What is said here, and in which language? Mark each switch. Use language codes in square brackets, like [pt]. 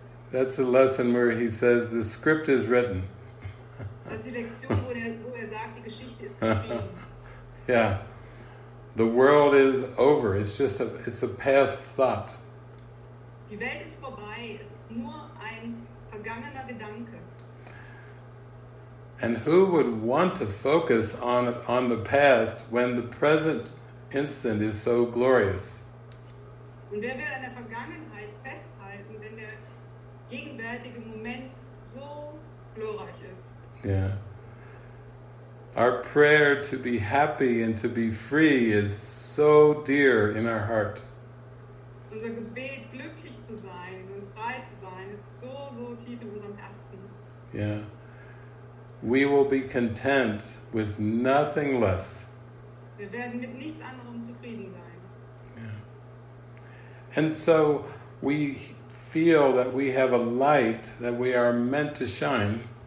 [en] That's the lesson where he says the script is written. [de] Das ist die Lektion, wo er sagt, die Geschichte ist geschrieben. [en] Yeah. The world is over. It's just a past thought. [de] Die Welt ist vorbei. Es ist nur ein vergangener Gedanke. [en] And who would want to focus on the past when the present instant is so glorious? [de] Und wer will an der Vergangenheit festhalten, wenn der gegenwärtige Moment so glorreich ist? [en] Yeah. Our prayer to be happy and to be free is so dear in our heart. [de] Unser Gebet, glücklich zu sein und frei zu sein, ist so, so tief in unserem Herzen. [en] Yeah. We will be content with nothing less. [de] Wir werden mit nichts anderem zufrieden sein. [en] Yeah. And so we feel that we have a light that we are meant to shine.